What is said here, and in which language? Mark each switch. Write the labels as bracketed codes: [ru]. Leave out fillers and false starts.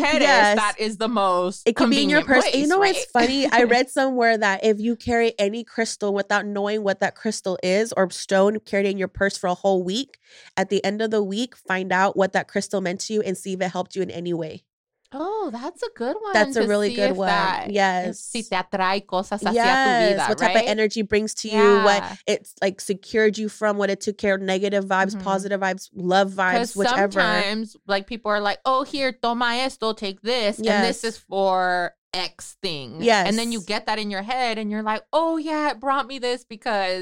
[en] that is the most. It can be in your purse. You know what's funny? I read somewhere that if you carry any crystal without knowing what that crystal is or stone carried in your purse for a whole week, at the end of the week, find out what that crystal meant to you and see if it helped you in any way. Oh, that's a good one. That's a really good one. Yes. [es] Si te atrae cosas hacia tu vida, [en] what type of energy brings to you, what it's like secured you from, what it took care of, negative vibes, positive vibes, love vibes, whichever. Sometimes like people are like, oh, here, [es] toma esto, [en] take this. Yes. And this is for X thing. Yes. And then you get that in your head and you're like, oh yeah, it brought me this because